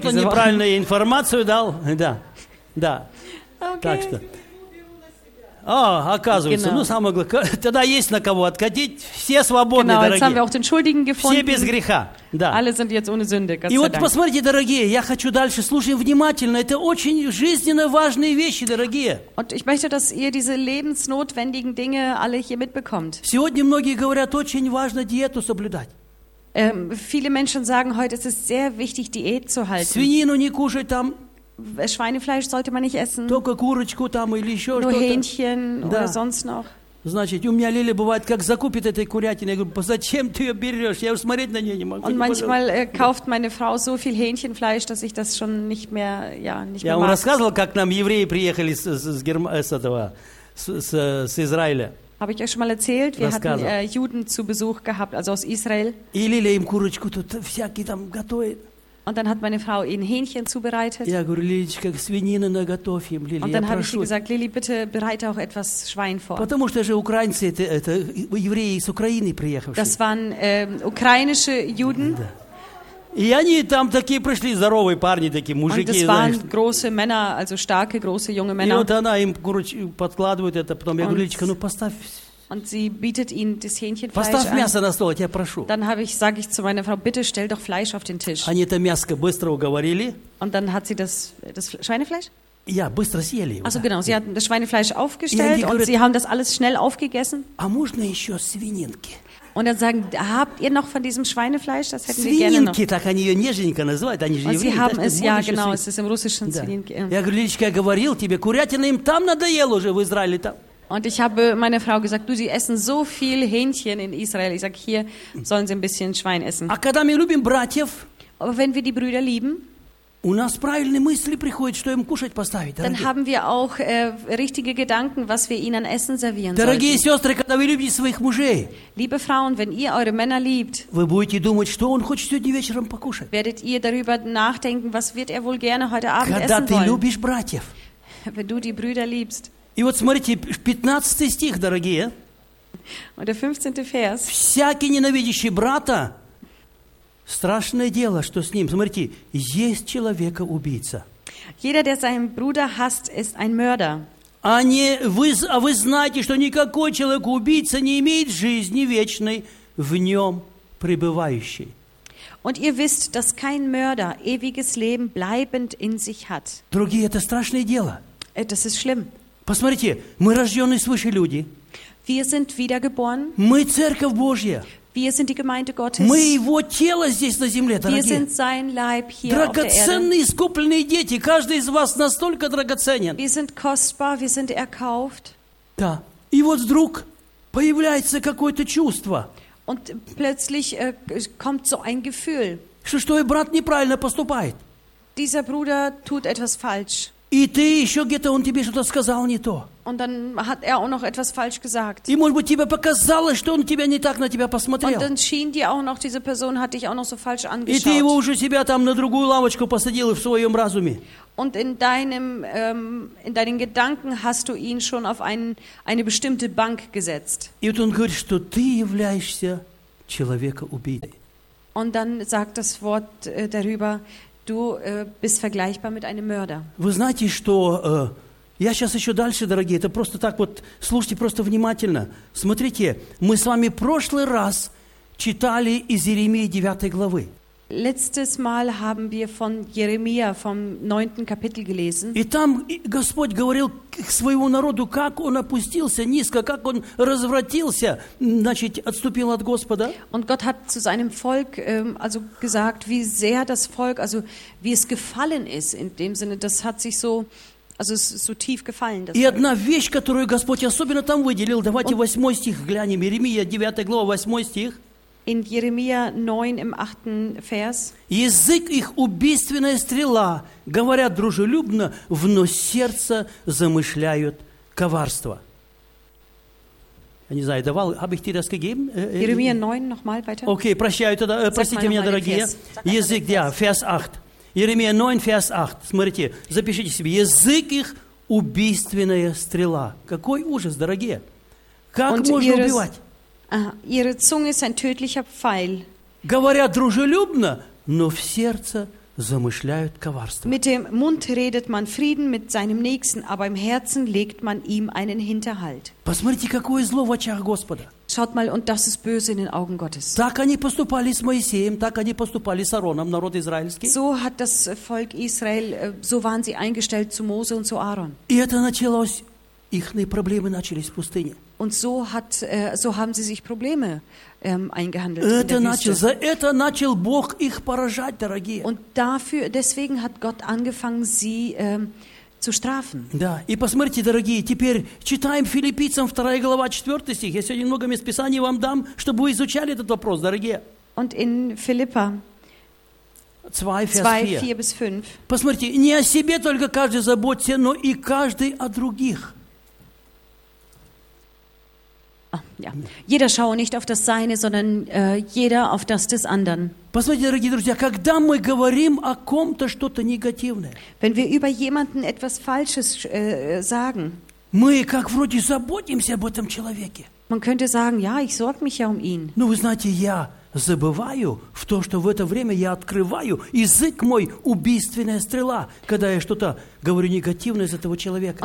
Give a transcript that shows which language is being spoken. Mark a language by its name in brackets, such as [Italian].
[Russian] Кто-то неправильную информацию дал. Да. Да. Okay. Так что. А, оказывается, genau. Ну, самое главное, тогда есть на кого откатить, все свободны, [German] genau, [Russian] дорогие. [German] Genau, jetzt haben wir auch den Schuldigen gefunden. [Russian] Все без греха, да. [German] Alle sind jetzt ohne Sünde, Gott sei Dank. [Russian] И вот посмотрите, дорогие, я хочу дальше, слушаем внимательно, это очень жизненно важные вещи, дорогие. [German] Und ich möchte, dass ihr diese lebensnotwendigen Dinge alle hier mitbekommt. [Russian] Сегодня многие говорят, очень важно диету соблюдать. [German] Viele Menschen sagen heute, es ist sehr wichtig, Diät zu halten. [Russian] Свинину не кушать там. [German] Schweinefleisch sollte man nicht essen. [Russian] Только курочку там или еще [German] Nur [Russian] что-то. [German] Nur Hähnchen, да. Oder sonst noch. [Russian] Значит, у меня Лили бывает, как закупит этой курятины. Я говорю, зачем ты ее берешь? Я уже смотреть на нее не могу. [German] Und manchmal kauft meine Frau so viel Hähnchenfleisch, dass ich das schon nicht mehr, ja, nicht mehr mag. [Russian] Я вам рассказывал, как нам евреи приехали с Израиля. [German] Habe ich euch schon mal erzählt, wir hatten Juden zu Besuch gehabt, also aus Israel. [Russian] И Лиля им курочку тут всякие там готовит. [German] Und dann hat meine Frau ihnen Hähnchen zubereitet. [Russian] Я говорю, Лилечка, свинину наготовь им, Лиля, [German] Und dann habe ich gesagt, Лили, bitte bereite auch etwas Schwein vor. [Russian] Потому что же украинцы это евреи из Украины приехавшие. [German] Das waren ukrainische Juden. [Russian] И они там такие пришли, здоровые парни такие, мужики. [German] Und das waren große Männer, also starke, große, junge Männer. [Russian] И вот она им подкладывает это, потом я говорю, Лилечка, ну поставь. [German] Und sie bietet ihnen das Hähnchenfleisch [Russian] Поставь [German] an. [Russian] Мясо на стол, я тебя прошу. [German] Dann sage ich zu meiner Frau, bitte stell doch Fleisch auf den Tisch. [Russian] Они это мяско быстро уговорили. [German] Und dann hat sie das Schweinefleisch? [Russian] Ja, быстро съели. [German] Also genau, sie hatten das Schweinefleisch aufgestellt und sie haben das alles schnell aufgegessen. [Russian] А можно еще свининки? [German] Und dann sagen, habt ihr noch von diesem Schweinefleisch? Das hätten [Russian] свининки, [German] wir gerne noch. [Russian] Так они ее нежненько называют, они же [German] Und [Russian] евреи, [German] sie haben es, ja genau, es ist im Russischen да. [Russian] свининки. Я говорю, Лилечка, я говорил тебе, курятина им там надоело уже в Израиле там. [German] Und ich habe meiner Frau gesagt, du, sie essen so viel Hähnchen in Israel. Ich sage, hier sollen sie ein bisschen Schwein essen. Aber wenn wir die Brüder lieben, dann haben wir auch richtige Gedanken, was wir ihnen an Essen servieren sollten. Liebe Frauen, wenn ihr eure Männer liebt, werdet ihr darüber nachdenken, was wird er wohl gerne heute Abend essen wollen. Wenn du die Brüder liebst, [Russian] И вот смотрите, 15 стих, дорогие. [German] Und der 15. Vers. [Russian] Всякий ненавидящий брата, страшное дело, что с ним. Смотрите, есть человека-убийца. [German] Jeder, der seinen Bruder hasst, ist ein Mörder. [Russian] А вы знаете, что никакой человек-убийца не имеет жизни вечной в нем пребывающей. [German] Und ihr wisst, dass kein Mörder ewiges Leben bleibend in sich hat. [Russian] Другие, это страшное дело. [German] Das ist schlimm. [Russian] Посмотрите, мы рожденные свыше люди. [German] Wir sind wiedergeboren. [Russian] Мы церковь Божья. [German] Wir sind die Gemeinde Gottes. [Russian] Мы его тело здесь на земле, дорогие. [German] Wir sind sein Leib hier [Russian] Драгоценные, искупленные дети. Каждый из вас настолько драгоценен. [German] Wir sind kostbar, wir sind erkauft. [Russian] Да. И вот вдруг появляется какое-то чувство. [German] Und plötzlich kommt so ein Gefühl. [Russian] Что твой брат неправильно поступает. [German] Dieser Bruder tut etwas falsch. [Russian] И ты еще где-то он тебе что-то сказал не то. [German] Und dann hat auch noch etwas falsch gesagt. [Russian] И может быть тебе показалось, что он тебя не так на тебя посмотрел. [German] Und dann schien dir auch noch diese Person hat dich auch noch so falsch angeschaut. [Russian] И ты его уже себя там на другую лавочку посадил в своем разуме. [German] Und in deinen Gedanken hast du ihn schon auf eine bestimmte Bank gesetzt. [Russian] И вот он говорит, что ты являешься человека-убийцей. [German] Und dann sagt das Wort darüber. Du bist vergleichbar mit einem Mörder. [Russian] Вы знаете, что я сейчас еще дальше, дорогие, это просто так вот, слушайте просто внимательно. Смотрите, мы с вами в прошлый раз читали из Иеремии 9 главы. [German] Letztes Mal haben wir von Jeremia vom 9. Kapitel gelesen. [Russian] И там Господь говорил к своему народу, как он опустился низко, как он развратился, значит, отступил от Господа. [German] Und Gott hat zu seinem Volk also gesagt, wie sehr das Volk, also wie es gefallen ist in dem Sinne, das hat sich so also es ist so tief gefallen. [Russian] И одна вещь, которую Господь особенно там выделил, давайте 8 стих глянем, Иеремия 9 глава, 8 стих. [German] In Jeremia 9, im 8. Vers. [Russian] Язык их убийственная стрела, говорят дружелюбно, вно сердце замышляют коварство. Не знаю, давал, [German] habe ich dir das gegeben? Jeremia 9, nochmal weiter. [Russian] Okay, прощаю тогда, простите меня, дорогие. Язык, да, Vers 8. [German] Jeremia 9, Vers 8. [Russian] Смотрите, запишите себе. Язык их убийственная стрела. Какой ужас, дорогие. Как Und можно ihres... убивать? [German] Ihre Zunge ist ein tödlicher Pfeil. [Russian] Говорят дружелюбно, но в сердце замышляют коварство. [German] Mit dem Mund redet man Frieden mit seinem Nächsten, aber im Herzen legt man ihm einen Hinterhalt. [Russian] Посмотрите, какое зло в очах Господа. [German] Schaut mal, und das ist böse in den Augen Gottes. [Russian] Так они поступали с Моисеем, так они поступали с Аароном, народ израильский. [German] So hat das Volk Israel, so waren sie eingestellt zu Mose und zu Aaron. [Russian] И это началось. Ихные проблемы начались в пустыне. [German] Und so hat, so haben sie sich Probleme eingehandelt. [Russian] Это начал, за это начал Бог их поражать, дорогие. [German] Und dafür, deswegen hat Gott angefangen, sie zu strafen. [Russian] Да, и посмотрите, дорогие, теперь читаем Филиппийцам 2 глава, 4 стих. Я сегодня много мест Писаний вам дам, чтобы вы изучали этот вопрос, дорогие. [German] Und in Филиппа 2, 4-5. [Russian] Посмотрите, не о себе только каждый заботься, но и каждый о других. [German] Ja. Jeder schaue nicht auf das Seine, sondern jeder auf das des Anderen. [Russian] Посмотрите, дорогие друзья, когда мы говорим о ком-то что-то негативное, [German] wenn wir über jemanden etwas Falsches sagen, [Russian] мы как вроде заботимся об этом человеке. [German] Man könnte sagen, ja, ich sorge mich ja um ihn. [Russian] Ну, вы знаете, я забываю в то, что в это время я открываю язык мой убийственная стрела, когда я что-то говорю негативное из этого человека.